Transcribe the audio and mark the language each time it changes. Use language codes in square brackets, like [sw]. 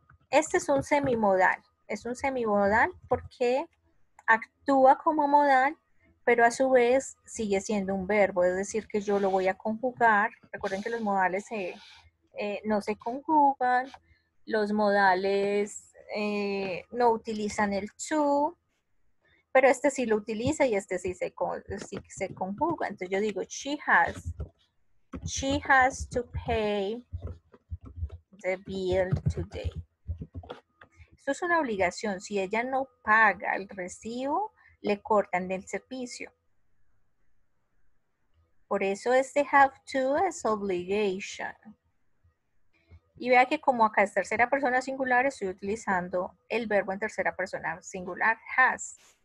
[es] Este es un semimodal. Es un semimodal porque actúa como modal, pero a su vez sigue siendo un verbo. Es decir, que yo lo voy a conjugar. Recuerden que los modales no se conjugan. Los modales no utilizan el to. Pero este sí lo utiliza y este sí se conjuga. Entonces yo digo [en] She has to pay the bill today. [es] Esto es una obligación. Si ella no paga el recibo, le cortan el servicio. Por eso este have to es obligation. Y vea que como acá es tercera persona singular, estoy utilizando el verbo en tercera persona singular, has.